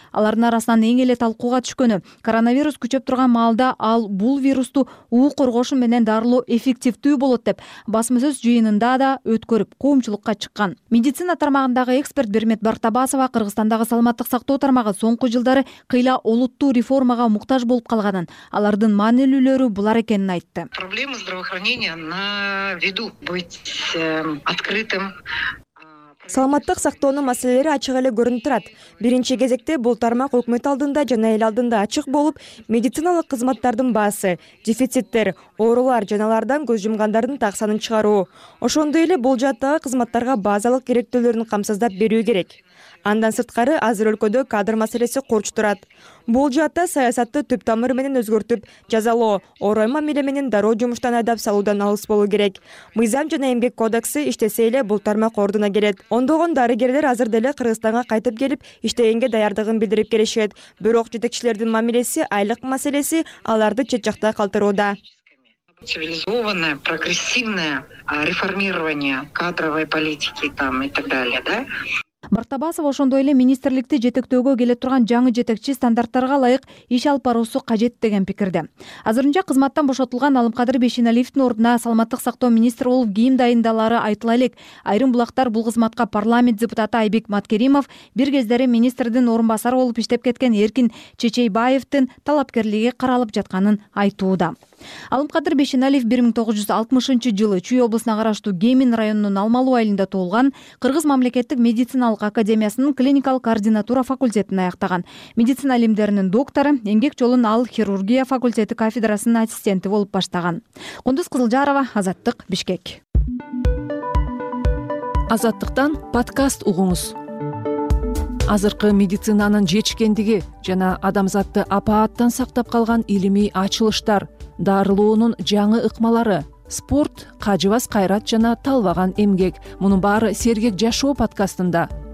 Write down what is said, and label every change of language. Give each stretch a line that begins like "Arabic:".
Kyrgyz: Алардын арасынан эң эле талкууга түшкөнү коронавирус күчөп турган маалда ал бул вирусту уу коргошу менен дарылоо эффективдүү болот деп басма сөз жыйынында да өткөрүп коомчулукка чыккан. Медицина тармагындагы эксперт Бермет Бартабасова Кыргызстандагы саламаттык сактоо тармагы соңку жылдары кыйла олуттуу реформага муктаж болуп калганын, алардын маанилүүлөрү булар экенин айтты.
Russian: Проблема здравоохранения на виду, быть открытым.
Kyrgyz: Саламаттык сактоонун маселелери ачык эле көрүнүп турат. Биринчи кезекте бул тармак өкмөт алдында жана эл алдында ачык болуп, медициналык кызматтардын баасы, дефициттер, оорулар жана алардан көз жумгандардын так санын чыгаруу. Ошондой эле бул жааттагы кызматтарга базалык керектөөлөрүн камсыздап берүү керек. Андан сырткары азыр өлкөдө кадр маселеси курч турат. Бул жаатта саясатты түп тамыры менен өзгөртүп, жазалоо, орой мамиле менен дароо жумуштан айдап салуудан алыс болуу керек. Мыйзам жана эмгек кодексе иштесе эле бул тармак ордуна келет. Ондогон дарыгерлер азыр деле Кыргызстанга кайтып келип, иштегенге даярдыгын билдирип келишет. Бирок жетекчилердин мамилеси, айлык маселеси аларды чет жакта калтырууда.
Russian: Цивилизованное, прогрессивное реформирование кадровой политики там и так далее, да?
Kyrgyz: Бартабасова ошондой эле министрликти жетектөөгө келе турган жаңы жетекчи стандарттарга ылайык иш алып баруусу кажет деген пикирде. Азырынча кызматтан бошотулган Алымкадыр Бишеналиевдин ордуна саламаттык сактоо министри болуп кийим дайындалары айтыла элек. Айрым булактар бул кызматка парламент депутаты Айбек Маткеримов, бир кездери министрдин орун басары болуп иштеп кеткен Эркин Чечейбаевдин талапкерлиги каралып жатканын айтууда. Алымкадыр Бишеналиев 1960 жылы Чүй облусуна караштуу Кемин районунун Алмалуу айылында туулган, Кыргыз мамлекеттик медициналык академиясынын клиникалык координатура факультетин аяктаган. Медицина илимдеринин доктору, эмгек жолун ал хирургия факультети кафедрасынын ассистенти болуп баштаган. Кундуз Кызылжарова, Азаттык, Бишкек. Азаттыктан подкаст угуңуз. Азыркы медицинанын жетишкендиги жана адамзатты апааттан сактап калган илимий ачылыштар, дарылоонун жаңы ыкмалары, спорт, кажыбас кайрат жана талбаган эмгек. Мунун баары Сергек жашоо подкастында.